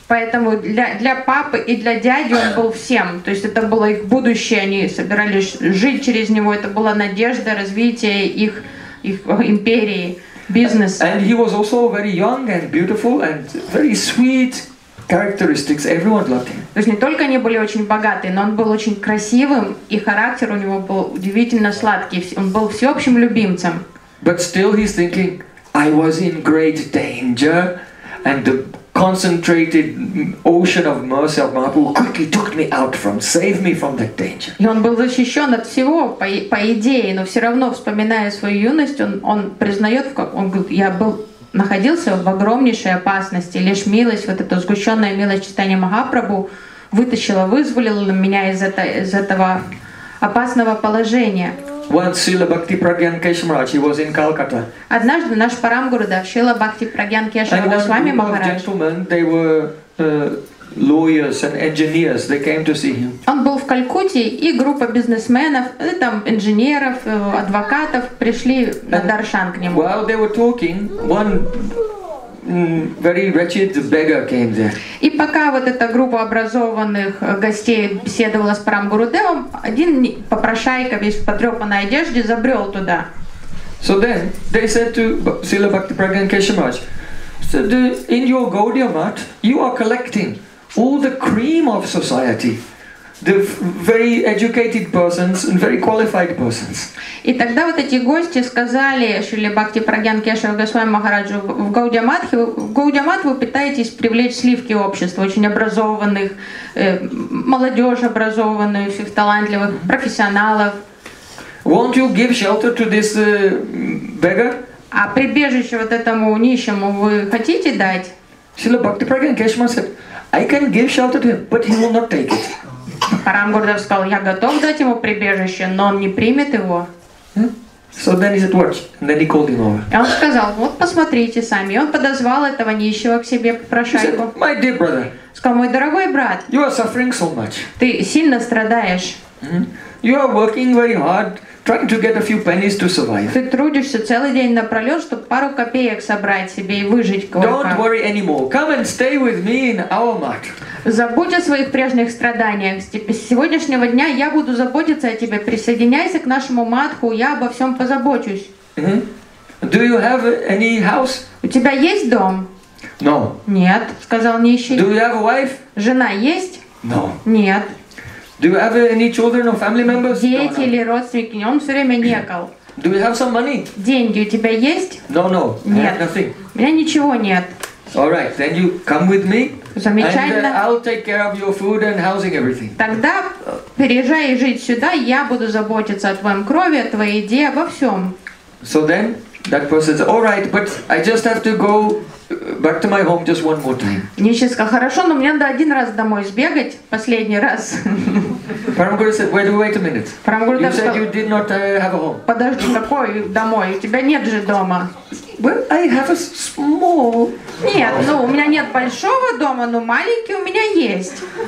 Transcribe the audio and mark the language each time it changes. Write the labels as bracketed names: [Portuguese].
[Russian] Поэтому для папы и для дяди он был всем. То есть это было их будущее, они собирались жить через него, это была надежда развития их империи, бизнеса. [English] And he was also very young and beautiful and very sweet characteristics. Everyone loved him. [Russian] То есть не только они были очень богаты, но он был очень красивым, и характер у него был удивительно сладкий. Он был всеобщим любимцем. [English] But still he's thinking, I was in great danger, and the concentrated ocean of mercy of Mahaprabhu quickly took me out from, saved me from that danger. [Russian] И он был защищен от всего по идее, но все равно, вспоминая свою юность, он признает, он говорит, я был находился в огромнейшей опасности, лишь милость, вот эта сгущенная милость читания Махапрабху вытащила, вызволила меня из этого опасного положения. [English] Once Srila Bhakti Pragyan Keshamraj, he was in Calcutta. [Russian] Однажды наш Парамгурудев Шрила Бхакти Прагьян Кешамраджи Махарадж. [English] And one group of gentlemen, they were lawyers and engineers. They came to see him. [Russian] Он был в Калькутте, и группа бизнесменов, там инженеров, адвокатов пришли на даршан к нему. [English] While they were talking, one very wretched beggar came there. [Russian] И пока вот эта группа образованных гостей беседовала с Парамгурудевом, один попрошайка, весь в потрёпанной одежде, забрёл туда. [English] So then they said to Srila Bhakti Pragyan Keshamraj, so in your Gaudiya Math, you are collecting all the cream of society. The very educated persons and very qualified persons. [Russian] И тогда вот эти гости сказали Шриле Бхакти Прагьян Кешава Госвами Махараджу, в Гаудия Матхе вы пытаетесь привлечь сливки общества, очень образованных, молодежь образованную, всех талантливых профессионалов. [English] Won't you give shelter to this beggar? [Russian] А прибежище вот этому нищему вы хотите дать? [English] Шриле Бхакти Прагьян Кешава said, I can give shelter to him, but he will not take it. [Russian] Парамгурудев сказал, я готов дать ему прибежище, но он не примет его. [English] So then he said, watch. And then he called him over. [Russian] Он сказал, вот посмотрите сами. И он подозвал этого нищего к себе, попрошайку. [English] My dear brother. [Russian] Сказал, мой дорогой брат. [English] You are suffering so much. [Russian] Ты сильно страдаешь. [English] You are working very hard, trying to get a few pennies to survive. [Russian] Ты трудишься целый день напролет, чтобы пару копеек собрать себе и выжить кое-как. [English] Don't worry anymore. Come and stay with me in our mat. [Russian] Забудь о своих прежних страданиях. С сегодняшнего дня я буду заботиться о тебе. Присоединяйся к нашему матху, я обо всем позабочусь. [English] Do you have any house? [Russian] У тебя есть дом? [English] No. [Russian] Нет, сказал нищий. [English] Do you have a wife? [Russian] Жена есть? [English] No. [Russian] Нет. [English] Do you have any children or family members? [Russian] Дети или родственники? Он все время некал. [English] Do you have some money? [Russian] Деньги у тебя есть? [English] No. [Russian] Нет. [English] I have nothing. [Russian] У меня ничего нет. [English] All right, then you come with me. [Russian] Замечательно. [English] And I'll take care of your food and housing everything. [Russian] Тогда переезжай и жить сюда, я буду заботиться о твоем крови, о твоей еде, обо всем. [English] So then that person says, all right, but I just have to go back to my home just one more time. [Russian] Нищий сказал, хорошо, но мне надо один раз домой сбегать, последний раз. [English] Парамгурудев said, wait a minute. [Russian] Парамгурудев [English] said, you did not have a home. [Russian] Подожди, какой домой? У тебя нет же дома. [English] Well, I have a small. [Russian] Нет, ну у меня нет большого дома, но маленький у меня есть.